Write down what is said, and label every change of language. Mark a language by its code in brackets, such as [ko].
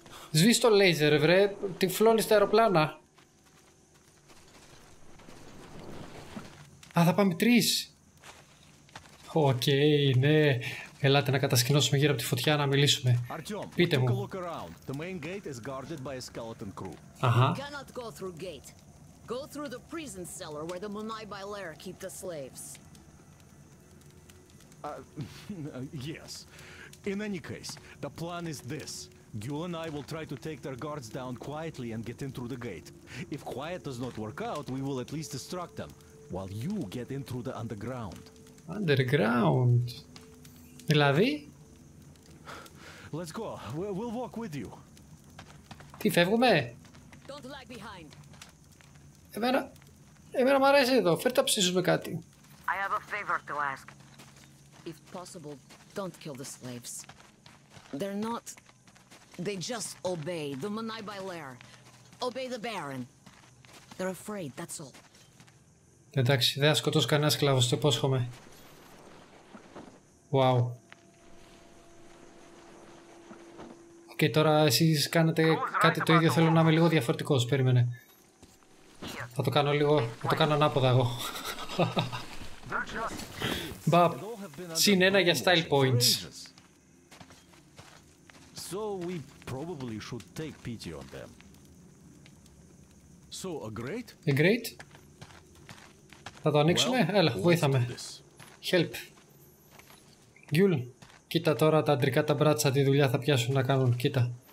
[el] Σβήσ' το λέιζερ, βρε. Τυφλώνεις τα αεροπλάνα. Α, θα πάμε τρεις. Οκ, ναι. Ελάτε να κατασκηνώσουμε γύρω από τη φωτιά να μιλήσουμε. Artyom, πείτε μου. [en] The main gate is guarded by a skeleton crew. Αχα. You cannot go through gate. Go through the prison cellar where the Monai by Lair keep the slaves. Yes. In any case, the plan is this. Gyul and I will try to take their guards down quietly and get in through the gate. If quiet does not work out, we will at least distract them while you get in through the underground. Underground. Δηλαδή. Let's go. We'll walk with you. [el] Τι φεύγουμε. [en] Don't lag behind. [el] Εμένα μ' αρέσει εδώ. Φέρτε να ψήσουμε κάτι. [en] I have a favor to ask. If possible, don't kill the slaves. They're not. They just obey the Monai by Lair. Obey the Baron. They're afraid, that's all. [el] Εντάξει, δεν θα σκοτώσω κανένα σκλάβο, το υπόσχομαι. Wow. Και τώρα εσείς κάνετε κάτι το ίδιο, θέλω να είμαι λίγο διαφορετικός, περίμενε. Θα το κάνω λίγο, θα το κάνω ανάποδα εγώ. Μπαπ, συν ένα για style points. [en] So we probably should take pity on them. So a great? A great? [el] Θα το ανοίξουμε, έλα, βοήθαμε. Help. Γιούλ, κοίτα τώρα τα αντρικά τα μπράτσα τι δουλειά θα πιάσουν να κάνουν, κοίτα.